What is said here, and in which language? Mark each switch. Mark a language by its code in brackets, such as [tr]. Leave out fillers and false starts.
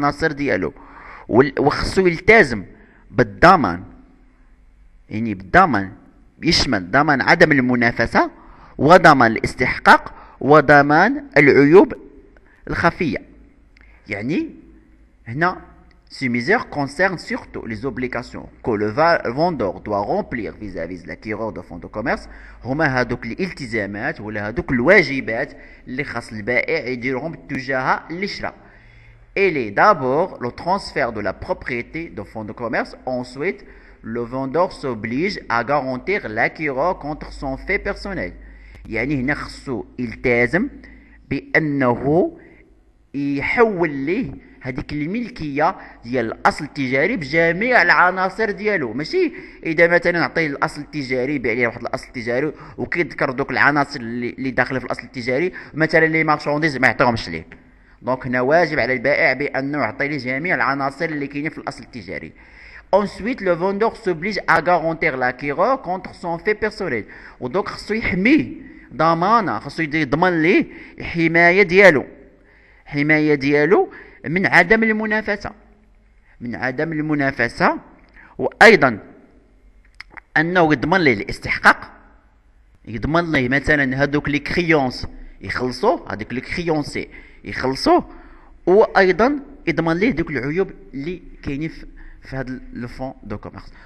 [ar] ديالو وخصو يلتزم بالضمان، يعني بالضمان يشمل ضمان عدم المنافسة وضمان الاستحقاق وضمان العيوب الخفية. يعني هنا [fr] Ces mesures concernent surtout les obligations que le vendeur doit remplir vis-à-vis de l'acquéreur de fonds de commerce. [ar] هما هادوك الالتزامات ولا هادوك الواجبات اللي خاص البائع يديرهم تجاه الشراء. [fr] Il est d'abord le transfert de la propriété de fonds de commerce. Ensuite, le vendeur s'oblige à garantir l'acquéreur contre son fait personnel. [ar] يعني هنا خصو يلتزم بأنه يحول ليه هذيك الملكيه ديال الاصل التجاري بجميع العناصر ديالو. ماشي اذا مثلا نعطي الاصل التجاري يبيع لي واحد الاصل تجاري وكيذكر دوك العناصر اللي داخله في الاصل التجاري مثلا لي مارشانديز ما يعطيهمش ليه. دونك هنا واجب على البائع بانه يعطي لي جميع العناصر اللي كاينين في الاصل التجاري. [fr] Ensuite, le vendeur s'oblige à garantir l'acquéreur contre son fait personnel. Donc, il faut le [ar] ضمانه خصو يدير يضمن ليه الحمايه ديالو، حمايه ديالو من عدم المنافسه، من عدم المنافسه، وايضا انه يضمن ليه الاستحقاق، يضمن ليه مثلا هذوك لي كريونس يخلصوا، هذوك لي كريونس يخلصوا، وايضا يضمن ليه دوك العيوب اللي كاينين في هذا لو فون دو كوميرس.